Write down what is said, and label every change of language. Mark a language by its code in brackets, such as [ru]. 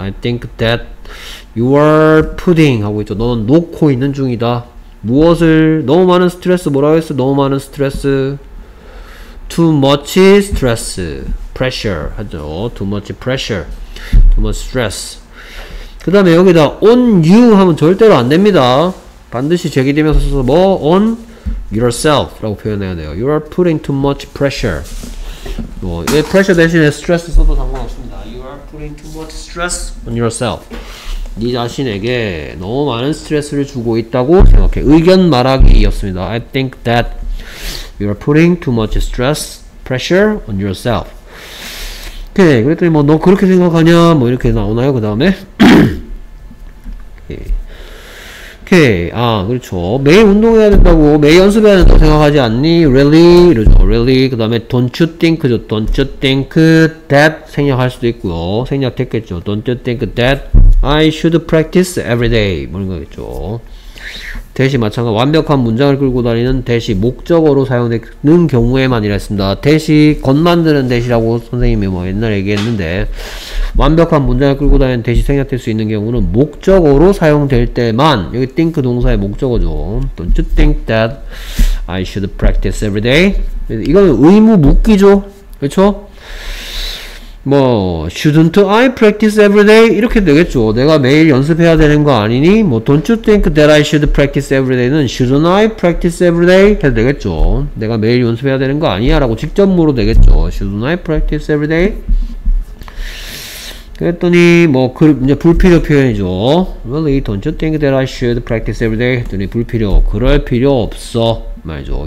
[en] I think that you are putting [ko] 하고 있죠. 너는 놓고 있는 중이다. 무엇을 너무 많은 스트레스 뭐라고 했어? 너무 많은 스트레스 [en] too much stress pressure [ko] 하죠. [en] too much pressure too much stress. 그 다음에 여기다 on you [ko] 하면 절대로 안 됩니다. 반드시 제기되면서 써서 뭐 on yourself 라고 표현해야 돼요. [en] You are putting too much pressure. 뭐 얘 pressure 대신에 stress [ko] 써도 상관없습니다. [en] You are putting too much stress on yourself. [ko] 네 자신에게 너무 많은 스트레스를 주고 있다고 생각해. 의견 말하기였습니다. [en] I think that you are putting too much stress pressure on yourself. [ko] 오케이. 그랬더니 뭐 너 그렇게 생각하냐 뭐 이렇게 나오나요 그 다음에. 오케이. 아 그렇죠. 매일 운동해야 된다고 매일 연습해야 된다고 생각하지 않니? [en] Really? 이러죠. Really? 그 다음에 Don't you think죠. Don't you think that [ko] 생략할 수도 있고요. 생략됐겠죠. [en] Don't you think that I should practice every day 뭐 이런 거겠죠. [ko] 대시 마찬가지 완벽한 문장을 끌고 다니는 대시 목적어로 사용되는 경우에만이라 했습니다. 대시 건만드는 대시라고 선생님이 뭐 옛날에 얘기했는데 완벽한 문장을 끌고 다니는 대시 생략될 수 있는 경우는 목적어로 사용될 때만 여기 think 동사의 목적어죠. [en] Don't you think that I should practice every day? [ko] 이건 의무 묻기죠. 그렇죠? 뭐 [en] shouldn't I practice every day? [ko] 이렇게 되겠죠. 내가 매일 연습해야 되는 거 아니니? [en] 뭐 don't you think that I should practice every day는 shouldn't I practice every day? [ko] 해도 되겠죠. 내가 매일 연습해야 되는 거 아니야? 라고 직접 물어도 되겠죠. [en] shouldn't I practice every day? [ko] 그랬더니 뭐 그 이제 불필요 표현이죠. [en] really don't you think that I should practice every day? [ko] 했더니 불필요 그럴 필요 없어 말이죠.